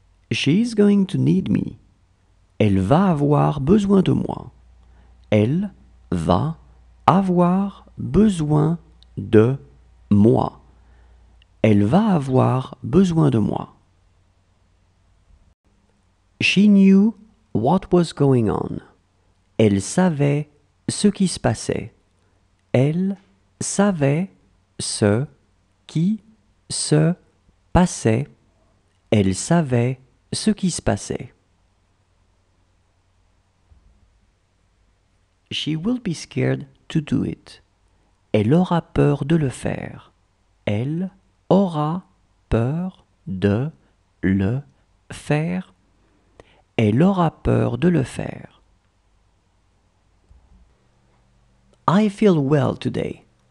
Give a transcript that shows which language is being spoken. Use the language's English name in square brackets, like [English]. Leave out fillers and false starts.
[English] She's going to need me. [French] Elle va avoir besoin de moi. Elle va avoir besoin de moi. Elle va avoir besoin de moi. [English] She knew what was going on. [French] Elle savait ce qui se passait. Elle savait ce qui se passait. Elle savait ce qui se passait. [English] She will be scared to do it. [French] Elle aura peur de le faire. Elle aura peur de le faire. Elle aura peur de le faire. [English] I feel well today.